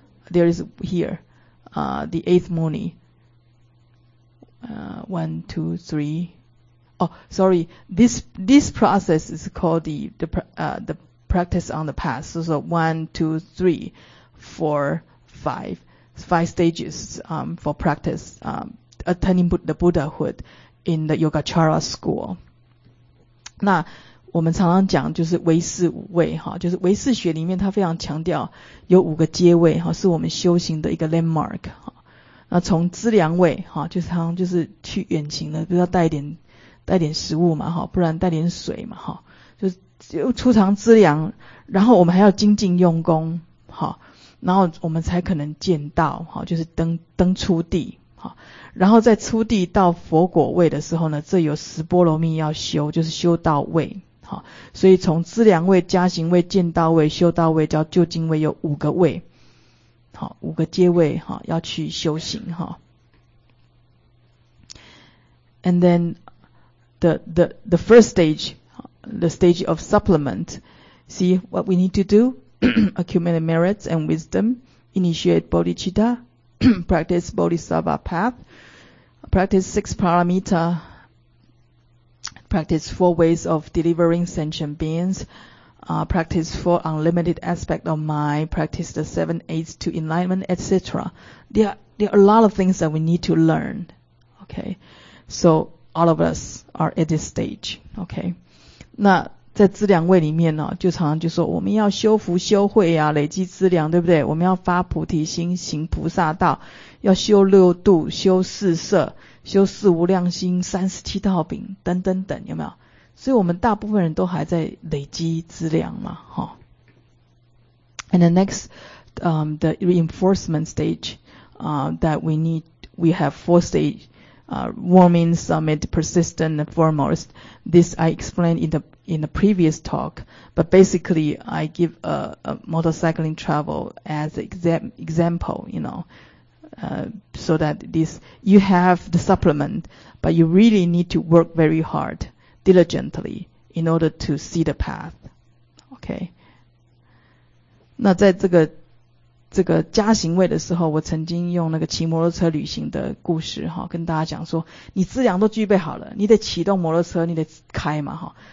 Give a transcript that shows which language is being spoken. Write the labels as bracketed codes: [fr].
[en] The eighth Muni. This process is called the practice on the path. So 1, 2, 3, 4, 5 stages for practice attaining the Buddhahood in the Yogacara school. [zh] 那我们常常讲就是唯识五位哈，就是唯识学里面它非常强调有五个阶位哈，是我们修行的一个 landmark 哈。那从资粮位哈，就是常就是去远行的，就要带点食物嘛哈，不然带点水嘛哈，就储藏资粮，然后我们还要精进用功哈，然后我们才可能见到哈，就是登初地哈，然后在初地到佛果位的时候呢，这有十波罗蜜要修，就是修道位哈，所以从资粮位、加行位、见道位、修道位叫究竟位，有五个位。好，五个阶位哈，要去修行哈。 [en] And then the first stage, the stage of supplement. See what we need to do: accumulate merits and wisdom, initiate bodhicitta, practice bodhisattva path, practice six paramita, practice four ways of delivering sentient beings, practice four unlimited aspects of mind, practice the seven aids to enlightenment, etc. There are a lot of things that we need to learn. Okay. So all of us are at this stage. Okay. [zh] 那在资粮位里面呢、哦、就常常就说我们要修福修慧啊，累积资粮，对不对？我们要发菩提心，行菩萨道，要修六度，修四摄，修四无量心，三十七道品等等等，有没有？所以我们大部分人都还在累积资粮嘛、 [en] 哦、And the next the reinforcement stage that we have four stage warming, summit, persistent, and foremost. This I explained in the previous talk, but basically I give a motorcycling travel as example, you know, so that this, you have the supplement, but you really need to work very hard, diligently, in order to see the path. Okay. [zh] 那在这个加行位的时候，我曾经用那个骑摩托车旅行的故事哈、哦，跟大家讲说，你资粮都具备好了，你得启动摩托车，你得开嘛哈、哦。